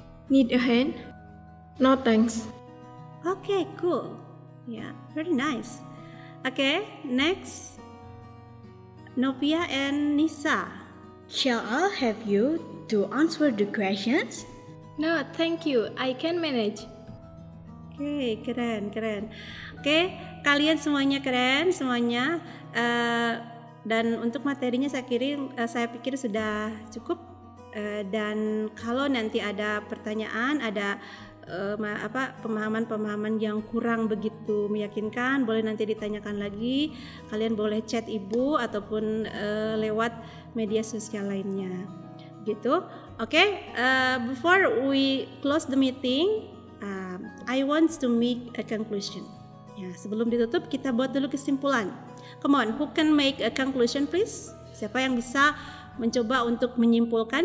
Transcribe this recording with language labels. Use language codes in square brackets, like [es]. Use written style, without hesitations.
[en] Need a hand? No thanks. Okay, cool. Yeah, very nice. Okay, next, Nopia and Nisa. Shall I help you to answer the questions? No, thank you. I can manage. [id] Okay, keren, keren. Okay, kalian semuanya keren, semuanya. Dan untuk materinya saya pikir sudah cukup. Dan kalau nanti ada pertanyaan, ada pemahaman-pemahaman yang kurang begitu meyakinkan, boleh nanti ditanyakan lagi. Kalian boleh chat ibu ataupun lewat media sosial lainnya, gitu. [en] Oke, before we close the meeting, I want to make a conclusion. [id] Ya, sebelum ditutup, kita buat dulu kesimpulan. [en] Come on, who can make a conclusion, please? [id] Siapa yang bisa mencoba untuk menyimpulkan?